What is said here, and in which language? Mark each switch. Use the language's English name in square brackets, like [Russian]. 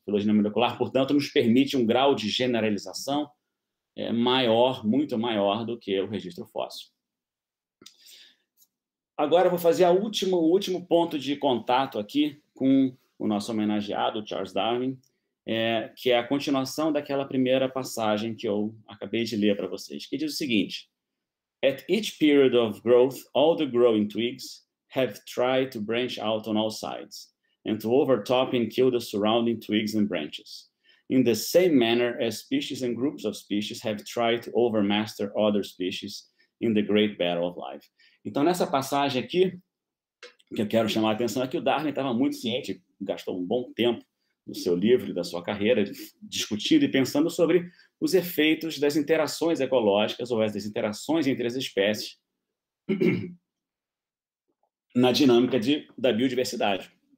[Portuguese] A filogenia molecular, portanto, nos permite um grau de generalização maior, muito maior do que o registro fóssil. Agora eu vou fazer o último ponto de contato aqui com o nosso homenageado, Charles Darwin, que é a continuação daquela primeira passagem que eu acabei de ler para vocês, que diz o seguinte: [English] At each period of growth, all the growing twigs have tried to branch out on all sides and to overtop and kill the surrounding twigs and branches. In the same manner as species and groups of species have tried to overmaster other species in the great battle of life. [Portuguese] Então, nessa passagem aqui, o que eu quero chamar a atenção é que o Darwin estava muito ciente, gastou um bom tempo no seu livro e da sua carreira, discutindo e pensando sobre os efeitos das interações ecológicas ou as interações entre as espécies na dinâmica da biodiversidade.